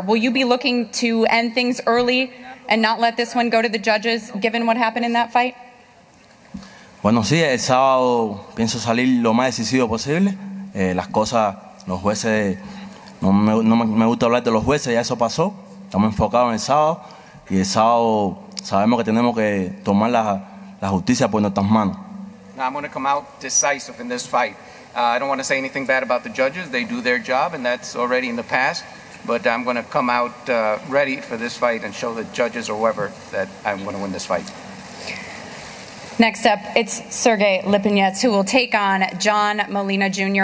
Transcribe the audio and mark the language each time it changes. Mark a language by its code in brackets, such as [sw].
[en] Will you be looking to end things early and not let this one go to the judges, given what happened in that fight? [es] Bueno, sí, el sábado pienso salir lo más decisivo posible. Las cosas, los jueces, no me gusta hablar de los jueces, ya eso pasó. Estamos enfocados en el sábado. Y el sábado sabemos que tenemos que tomar la justicia por nuestras manos. [en] Now I'm going to come out decisive in this fight. I don't want to say anything bad about the judges. They do their job, and that's already in the past. But I'm going to come out ready for this fight and show the judges or whoever that I'm going to win this fight. Next up, it's Sergey Lipinets, who will take on John Molina Jr.